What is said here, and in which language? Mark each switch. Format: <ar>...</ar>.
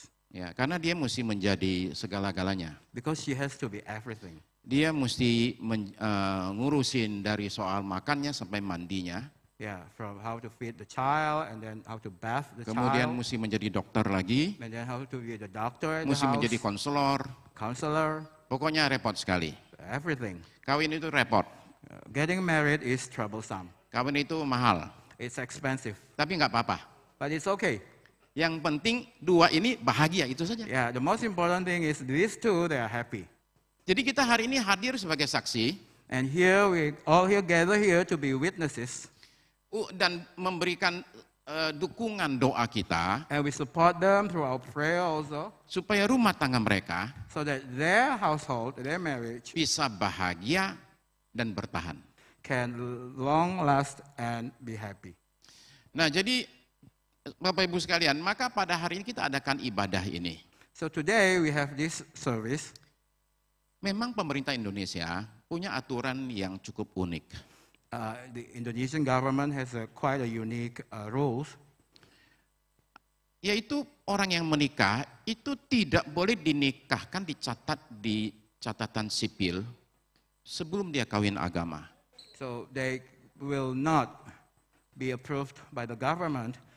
<id>Ya, karena dia mesti menjadi segala-galanya.</id> <en>Because she has to be everything.</en> <id>Dia mesti ngurusin dari soal makannya sampai mandinya.</id> <en>Yeah, from how to feed the child and then how to bath the child.</en> <id>Kemudian mesti menjadi dokter lagi.</id> <en>And then how to be the doctor.</en> <id>Mesti menjadi konselor.</id> <en>Counselor.</en> <id>Pokoknya repot sekali.</id> <en>Everything.</en> <id>Kawin itu repot.</id> <en>Getting married is troublesome.</en> <id>Kawin itu mahal.</id> <en>It's expensive.</en> <id>Tapi enggak apa-apa.</id> <en>But it's okay.</en> <id>Yang penting dua ini bahagia, itu saja.</id> <en>Yeah, the most important thing is these two, they are happy.</en> <id>Jadi kita hari ini hadir sebagai saksi.</id> <en>And here we all here gather here to be witnesses.</en> <id>Dan memberikan dukungan doa kita.</id> <en>And we support them through our prayer also.</en> <id>Supaya rumah tangga mereka.</id> <en>So that their household, their marriage.</en> <id>Bisa bahagia dan bertahan.</id> <en>Can long last and be happy.</en> <id>Nah jadi. Bapak Ibu sekalian, maka pada hari ini kita adakan ibadah ini.</id> <en>So today we have this service.</en> <id>Memang pemerintah Indonesia punya aturan yang cukup unik.</id> <en>The Indonesian government has quite a unique rules.</en> <id>Yaitu orang yang menikah itu tidak boleh dinikahkan dicatat di catatan sipil sebelum dia kawin agama.</id> <en>So they will not be approved by the government.</en>